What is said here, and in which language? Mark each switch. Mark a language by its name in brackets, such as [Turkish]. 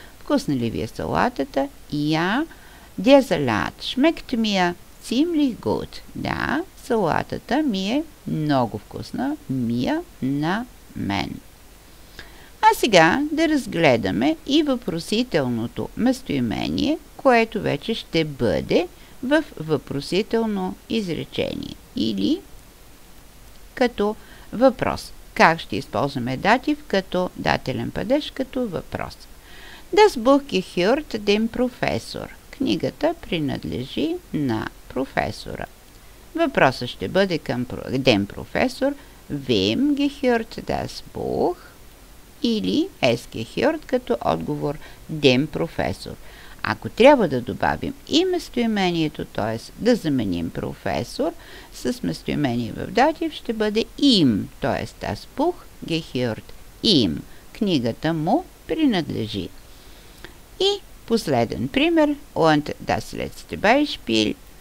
[Bulgarian] Вкусна ли ви е салатата, ja. [German] Der Salat schmeckt mir ziemlich gut. [Bulgarian] Да, салатата ми е много вкусна. Mir на мен. А сега да разгледаме и въпросителното местоимение, което вече ще бъде в въпросително изречение. Или като въпрос. Как ще използваме датив като дателен падеж като въпрос? [German] Das Buch gehört dem Professor. [Bulgarian] Книгата принадлежи на професора. Въпросът ще бъде към ден професор. [German] Wem gehört das Buch? [Bulgarian] Или [German] es gehört [Bulgarian] като отговор ден професор. Ако трябва да добавим и местоимението, т.е. да заменим професор, с местоимение в датив ще бъде им, т.е. [German] das Buch gehört им. [Bulgarian] Книгата му принадлежи. И последен пример. [German] Und das letzte Beispiel.